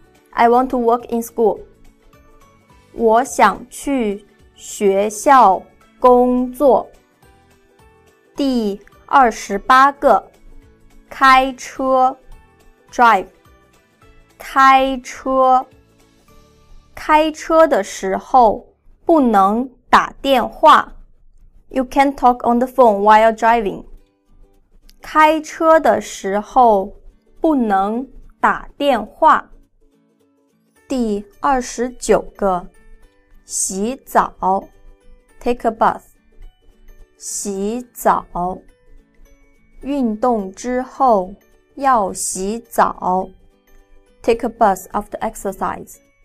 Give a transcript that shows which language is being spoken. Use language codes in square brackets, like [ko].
[en] I want to work in school. [zh] 我想去学校工作。第二十八个，开车 ，drive， 开车。开车的时候不能打电话。 [en] You can't talk on the phone while driving. [zh] 开车的时候不能打电话。第二十九个，洗澡 ， [en] take a bath。 [zh] 洗澡，运动之后要洗澡 ， [en] take a bath after exercise。